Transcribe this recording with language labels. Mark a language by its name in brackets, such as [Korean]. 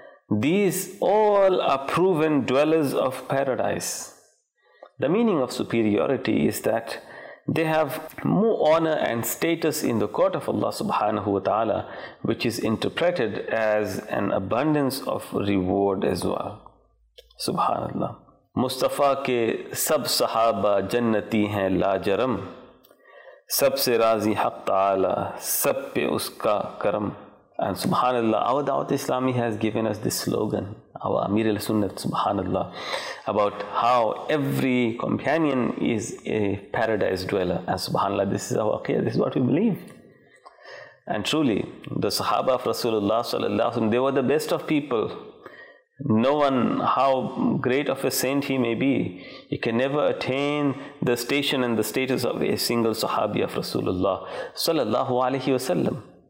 [English] These all are proven dwellers of paradise. The meaning of superiority is that they have more honor and status in the court of Allah subhanahu wa ta'ala, which is interpreted as an abundance of reward as well. Subhanallah. [Urdu] مصطفیٰ کے سب صحابہ جنتی ہیں لاجرم، سب سے راضی حق تعالی سب پہ اس کا کرم۔ [English] And subhanallah, our Dawat Islami has given us this slogan, our Amir al-Sunnat subhanallah, about how every companion is a paradise dweller. And subhanallah, this is our aqeedah, this is what we believe. And truly, the sahaba of Rasulullah sallallahu alaihi wasallam, they were the best of people. No one, how great of a saint he may be, he can never attain the station and the status of a single sahabi of Rasulullah sallallahu alayhi wasallam.